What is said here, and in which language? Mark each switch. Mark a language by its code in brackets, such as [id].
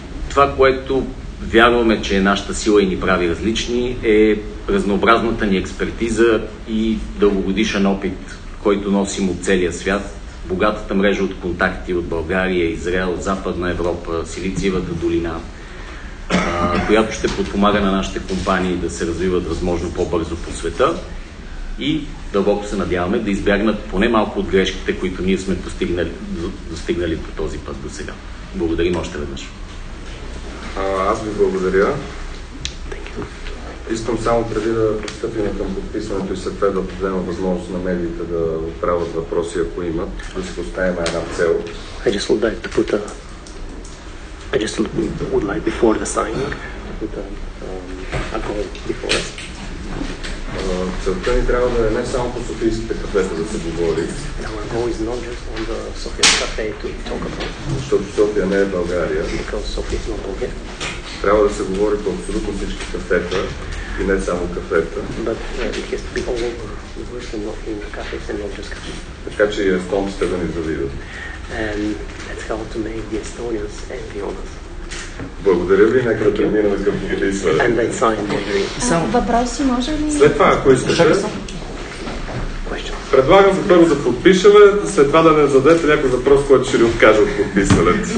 [bg] Това, което вярваме, че е нашата сила и ни прави различни, е разнообразната ни експертиза и дългогодишен опит, който носим от целия свят, богатата мрежа от контакти от България, Израел, Западна Европа, Силициевата долина, която ще подпомага на нашите компании да се развиват възможно по-бързо по света и дълбоко се надяваме да избягнат поне малко от грешките, които ние сме достигнали по този път до сега. Благодарим още веднъж. Аз ви благодаря. Искам само преди да пристъпим към подписването и след това да подадем възможност на медиите да отправят въпроси, ако имат, да си поставим една цел. [en] I just would like to put a... I just would like before the signing to put a, a goal before us. [bg] Целта ни трябва да е не само по Софийските кафета да се говори. [en] Now our goal is not just on the Sofia cafe to talk about. [bg] Защото София не е България. [en] Because Sofia is not Bulgaria. [bg] Трябва да се говори по абсолютно всички кафета и не само кафета. [en] But it has to be all over the world and not in the cafes and not just cafes. [bg] Така че и естонците да ни завидят. [en] And that's how to make the Estonians envy on us. [bg] Благодаря ви, нека да преминем към подписване. [en] And they sign the [bg] agreement. Въпроси може ли? След това, ако искате. Предлагам за първо да подпишеме, след това да не зададете някой въпрос, който ще ни откаже от подписването.